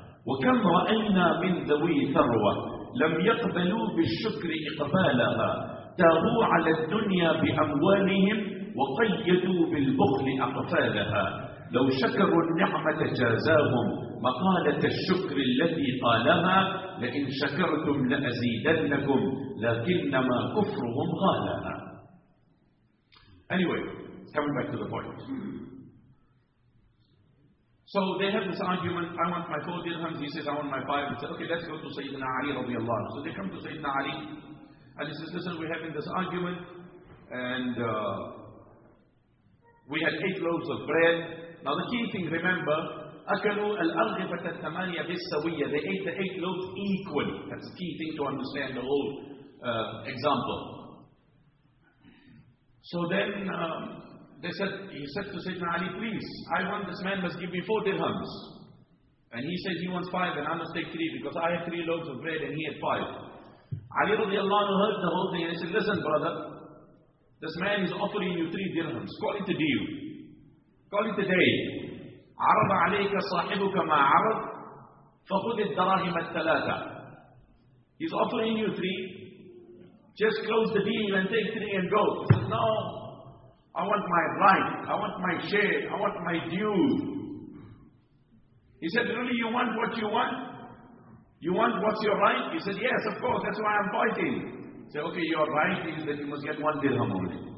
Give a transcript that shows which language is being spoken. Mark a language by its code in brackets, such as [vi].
[ar] وكم رأينا من ذوي ثروة لم يقبلوا بالشكر إقبالها تابوا على الدنيا بأموالهم وقيدوا بالبخل أقفالها لو شكروا النعمة جازاهم مقالة الشكر التي قالها لئن شكرتم لأزيدنكم لكنما كفرهم غالها. [en] Anyway, coming back to the point. So they have this argument, I want my 4 dirhams, he says I want my 5, and said, okay, let's go to Sayyidina Ali radiallahu anhu. So they come to Sayyidina Ali, and he says, listen, we're having this argument, and we had 8 loaves of bread. Now the key thing, remember, [ar] أكلوا الأرغفة الثمانية بالسوية, [en] they ate the 8 loaves equally. That's the key thing to understand the whole example. So then, he said to Sayyidina Ali, please, I want this man, must give me 4 dirhams. And he said, he wants 5 and I must take 3 because I had 3 loaves of bread and he had 5. Ali radiallahu anhu heard the whole thing and he said, listen brother, this man is offering you 3 dirhams. Call it a deal. Call it a day. [ar] عرض عليك صاحبك ما عرض فخذ الدراهم الثلاثة. [en] He's offering you 3. Just close the deal and take 3 and go. He said, no. I want my right, I want my share, I want my due. He said, really, you want what you want? You want what's your right? He said, yes, of course, that's why I'm fighting. He said, okay, your right is that you must get 1 dirham only.